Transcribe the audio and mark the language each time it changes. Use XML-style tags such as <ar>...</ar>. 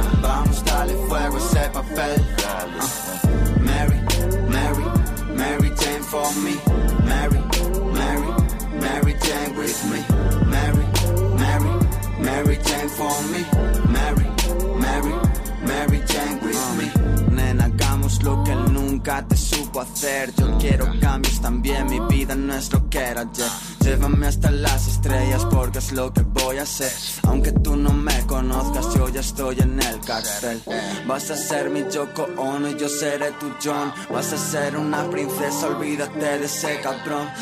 <es>Vamos, dale fuego a ese papel.</es> <en>Mary, Mary, Mary Jane for me. Mary, Mary, Mary Jane with me. Mary, Mary, Mary Jane for me. Mary, Mary, Mary Jane with me.</en> <es>Nena, hagamos lo que nunca te supo hacer. Yo quiero cambios también, mi vida no es lo que era ayer. Llévame hasta las estrellas porque es lo que voy a hacer. Aunque tú no me conozcas, yo ya estoy en el cartel. Vas a ser mi Yoko Ono y yo seré tu John. Vas a ser una princesa, olvídate de ese cabrón.</es>